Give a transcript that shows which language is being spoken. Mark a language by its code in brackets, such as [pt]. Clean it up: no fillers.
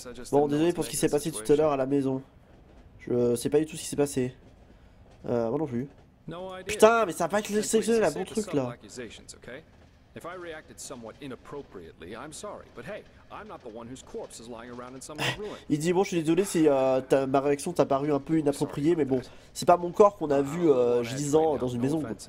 [fr] Bon, désolé pour ce qui s'est passé tout à l'heure à la maison. Je sais pas du tout ce qui s'est passé. Moi non plus. Putain, mais ça a pas sélectionné la bon truc là. [en] If I reacted somewhat inappropriately, I'm sorry, but hey, I'm not the one whose corpse is lying around in some ruin. [fr] Il dit bon, je suis désolé si ma réaction t'a paru un peu inappropriée, mais bon, c'est pas mon corps qu'on a vu gisant dans une maison.